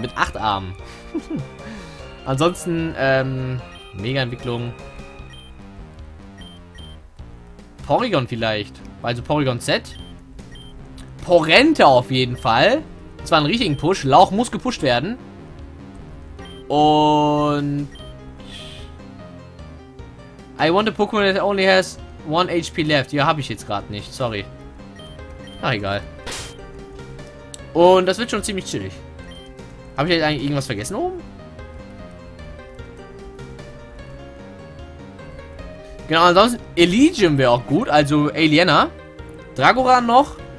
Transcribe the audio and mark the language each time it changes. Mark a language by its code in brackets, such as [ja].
[de] Mit 8 Armen. Ansonsten, Mega-Entwicklung. Porygon vielleicht. Also Porygon Z. Porente auf jeden Fall. Und zwar einen richtigen Push. Lauch muss gepusht werden. Und... [en] I want a Pokémon that only has 1 HP left. [de] Ja, habe ich jetzt gerade nicht. Sorry. Ach, egal. Und das wird schon ziemlich chillig. Habe ich jetzt eigentlich irgendwas vergessen oben? Genau, ansonsten Elegium wäre auch gut. Also Aliena. Dragoran noch.